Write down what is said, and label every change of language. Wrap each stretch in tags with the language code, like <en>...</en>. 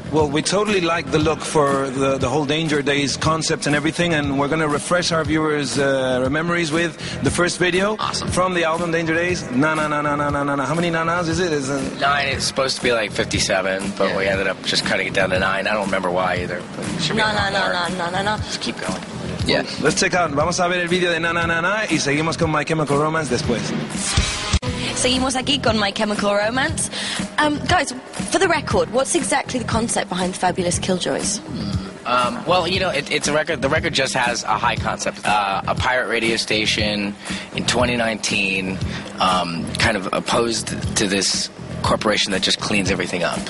<en>Well, we totally like the look for the whole Danger Days concept and everything, and we're going to refresh our viewers' memories with the first video. Awesome. From the album Danger Days. Na na na na na na na na. How many na na's is it? Nine. It's supposed to be like 57, but we ended up just cutting it down to 9. I don't remember why either. Na na na na na na na. Just keep going. Yeah. Let's check out.</en> <es>Vamos a ver el video de Na na na na y seguimos con My Chemical Romance después. Seguimos aquí con My Chemical Romance.</es> <en>Guys, for the record, what's exactly the concept behind Fabulous Killjoys? It's a record. The record just has a high concept. A pirate radio station in 2019 kind of opposed to this corporation that just cleans everything up.</en>